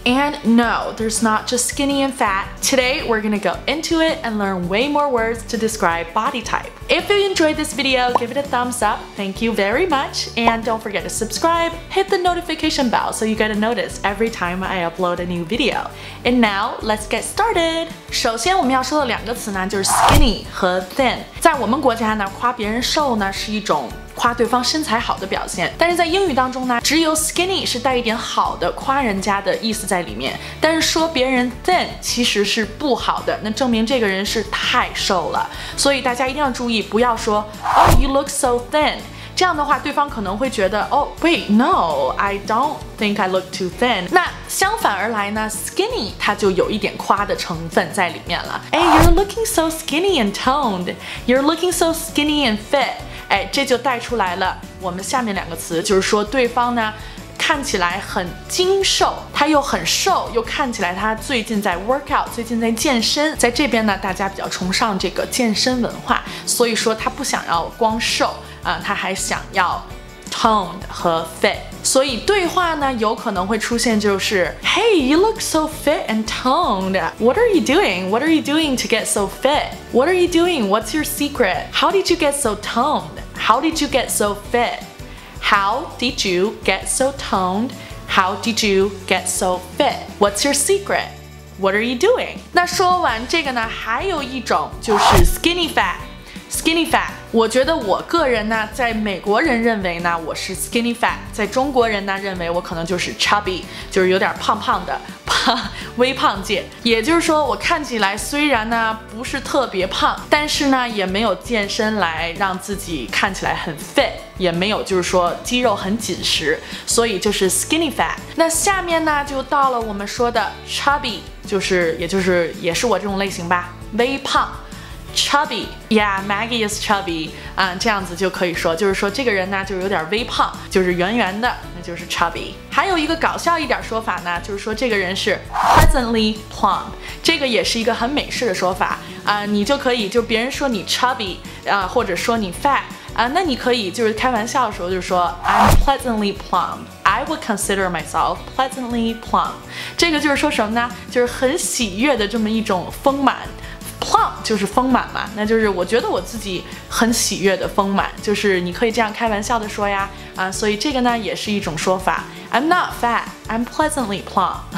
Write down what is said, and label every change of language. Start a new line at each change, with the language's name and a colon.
English: And no, there's not just skinny and fat. Today, we're gonna go into it and learn way more words to describe body type. If you enjoyed this video, give it a thumbs up. Thank you very much. And don't forget to subscribe. Hit the notification bell so you get a notice every time I upload a new video. And now, let's get started.
Chinese: 首先我们要说的两个词呢，就是 skinny 和 thin。在我们国家呢，夸别人瘦呢是一种夸对方身材好的表现，但是在英语当中呢，只有 skinny 是带一点好的夸人家的意思在里面，但是说别人 thin 其实是不好的，那证明这个人是太瘦了。所以大家一定要注意，不要说
English: Oh, you look so thin.
Chinese: 这样的话，对方可能会觉得
English: Oh, wait, no, I don't think I look too thin.
Chinese: 那相反而来呢 ，skinny 它就有一点夸的成分在里面了。
English: Hey, you're looking so skinny and toned. You're looking so skinny and fit.
Chinese: 哎，这就带出来了我们下面两个词，就是说对方呢看起来很精瘦，他又很瘦，又看起来他最近在 workout， 最近在健身。在这边呢，大家比较崇尚这个健身文化，所以说他不想要光瘦啊，他还想要 toned 和 fit。所以对话呢，有可能会出现就是
English: Hey, you look so fit and toned. What are you doing? What are you doing to get so fit? What are you doing? What's your secret? How did you get so toned? How did you get so fit? How did you get so toned? How did you get so fit? What's your secret? What are you doing?
Chinese: 那说完这个呢，还有一种就是 skinny fat. Skinny fat， 我觉得我个人呢，在美国人认为呢，我是 skinny fat， 在中国人呢认为我可能就是 chubby， 就是有点胖胖的，微胖界。也就是说，我看起来虽然呢不是特别胖，但是呢也没有健身来让自己看起来很 fit， 也没有就是说肌肉很紧实，所以就是 skinny fat。那下面呢就到了我们说的 chubby， 也是我这种类型吧，微胖。
English: Chubby, yeah, Maggie is chubby.
Chinese: 这样子就可以说，就是说这个人呢，就是有点微胖，就是圆圆的，那就是 chubby. 还有一个搞笑一点说法呢，就是说这个人是 pleasantly plump. 这个也是一个很美式的说法啊，你就可以就别人说你 chubby 啊，或者说你 fat 啊，那你可以就是开玩笑的时候就说
English: I'm pleasantly plump. I would consider myself pleasantly plump.
Chinese: 这个就是说什么呢？就是很喜悦的这么一种丰满。Plump 就是丰满嘛，那就是我觉得我自己很喜悦的丰满，就是你可以这样开玩笑的说呀，啊，所以这个呢也是一种说法。
English: I'm not fat, I'm pleasantly plump.